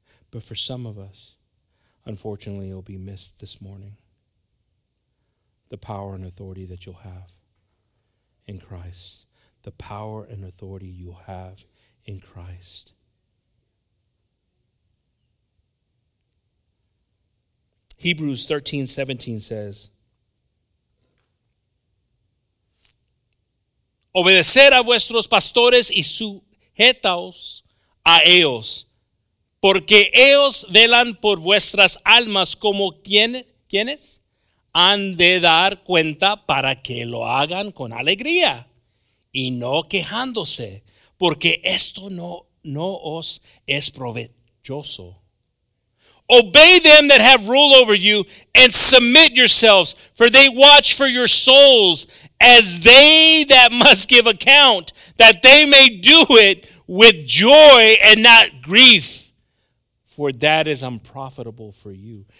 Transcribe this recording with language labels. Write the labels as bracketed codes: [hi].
[en] But for some of us, unfortunately, it'll be missed this morning. The power and authority that you'll have in Christ. The power and authority you have in Christ. Hebrews 13:17 says, [es] obedecer a vuestros pastores y sujetaos a ellos, porque ellos velan por vuestras almas como quienes han de dar cuenta para que lo hagan con alegría y no quejándose, porque esto no os es provechoso. [en] Obey them that have rule over you and submit yourselves, for they watch for your souls as they that must give account, that they may do it with joy and not grief, for that is unprofitable for you.